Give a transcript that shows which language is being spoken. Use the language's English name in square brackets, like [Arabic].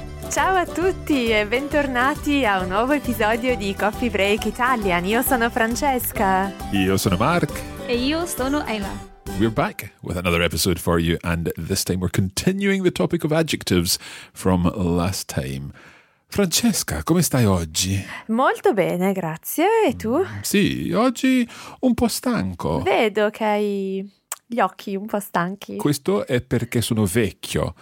[Italian] Ciao a tutti e bentornati a un nuovo episodio di Coffee Break Italian. Io sono Francesca. Io sono Mark. E io sono Emma. [English] We're back with another episode for you, and this time we're continuing the topic of adjectives from last time. [Italian] Francesca, come stai oggi? Molto bene, grazie. E tu? Sì, oggi un po' stanco. Vedo che hai gli occhi un po' stanchi. Questo è perché sono vecchio.